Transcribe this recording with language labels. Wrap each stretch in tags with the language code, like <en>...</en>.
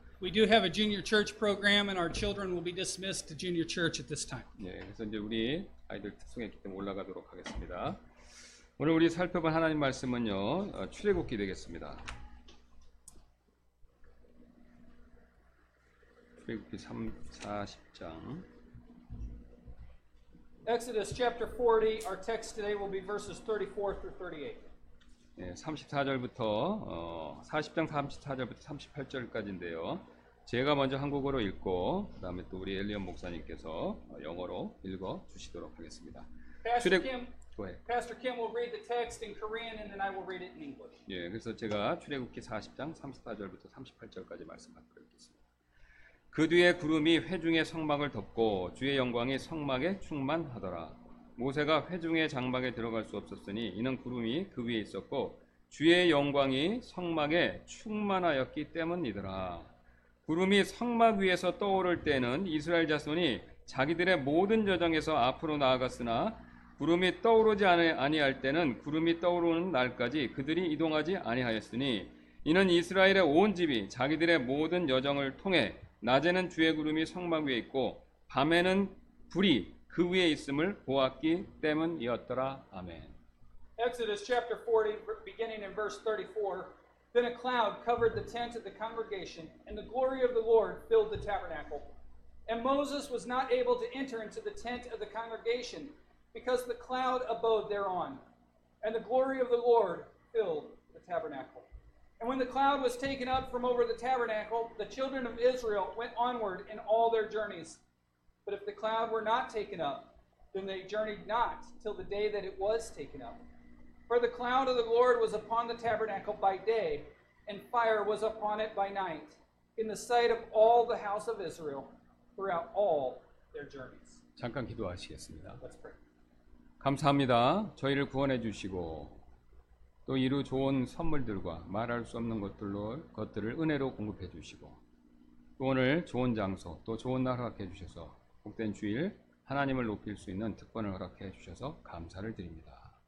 <en>We do have a junior church program, and our children will be dismissed to junior church at this time.</en> <ko>예, 그래서 이제 우리 아이들 특송했기 때문에 올라가도록 하겠습니다. 오늘 우리 살펴본 하나님 말씀은요, 출애굽기 되겠습니다. 출애굽기 40장.</ko> <en>Exodus chapter 40. Our text today will be verses 34 through 38.</en> <ko>네, 34절부터 40장 34절부터 38절까지인데요. 제가 먼저 한국어로 읽고 그 다음에 또 우리 엘리언 목사님께서 영어로 읽어 주시도록 하겠습니다.</ko> <en>Pastor Kim will read the text in Korean and then I will read it in English.</en> <ko>네, 그래서 제가 출애굽기 40장 34절부터 38절까지 말씀하도록 하겠습니다. 그 뒤에 구름이 회중의 성막을 덮고 주의 영광이 성막에 충만하더라. 모세가 회중의 장막에 들어갈 수 없었으니 이는 구름이 그 위에 있었고 주의 영광이 성막에 충만하였기 때문이더라. 구름이 성막 위에서 떠오를 때는 이스라엘 자손이 자기들의 모든 여정에서 앞으로 나아갔으나 구름이 떠오르지 아니할 때는 구름이 떠오르는 날까지 그들이 이동하지 아니하였으니 이는 이스라엘의 온 집이 자기들의 모든 여정을 통해 낮에는 주의 구름이 성막 위에 있고 밤에는 불이 그 위에 있음을 보았기 때문이었더라. 아멘.</ko> <en>Exodus chapter 40, beginning in verse 34. Then a cloud covered the tent of the congregation, and the glory of the Lord filled the tabernacle. And Moses was not able to enter into the tent of the congregation, because the cloud abode thereon. And the glory of the Lord filled the tabernacle. And when the cloud was taken up from over the tabernacle, the children of Israel went onward in all their journeys. But if the cloud were not taken up, then they journeyed not till the day that it was taken up. For the cloud of the Lord was upon the tabernacle by day, and fire was upon it by night, in the sight of all the house of Israel throughout all their journeys.</en> <ko>잠깐 기도하시겠습니다.</ko> <en>Let's pray.</en> <ko>감사합니다. 저희를 구원해 주시고 또 이루 좋은 선물들과 말할 수 없는 것들을 은혜로 공급해 주시고 또 오늘 좋은 장소 또 좋은 날 허락해 주셔서 복된 주일 하나님을 높일 수 있는 특권을 허락해 주셔서 감사를 드립니다.</ko>